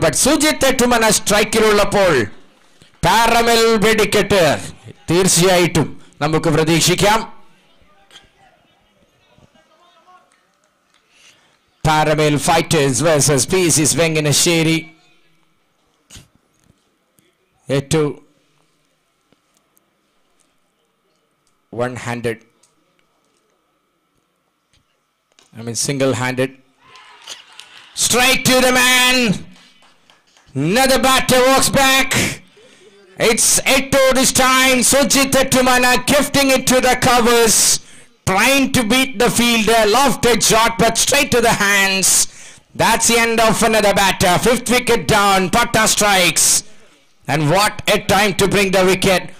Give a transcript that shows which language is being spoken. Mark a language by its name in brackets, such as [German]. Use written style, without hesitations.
[Malayalam] But Sujith Ettumana സ്ട്രൈക്കിലുള്ളപ്പോൾ Paramal വെടിക്കെട്ട് തീർച്ചയായിട്ടും നമുക്ക് പ്രതീക്ഷിക്കാം. Paramal fighters versus Peecees Venginissery. [English] ഏറ്റവും one handed I mean single handed strike to the man. Another batter walks back. It's Etto this time. Sujit Ettumana gifting it to the covers, trying to beat the fielder. Lofted shot but straight to the hands. That's the end of another batter. Fifth wicket down. Patta strikes. And what a time to bring the wicket.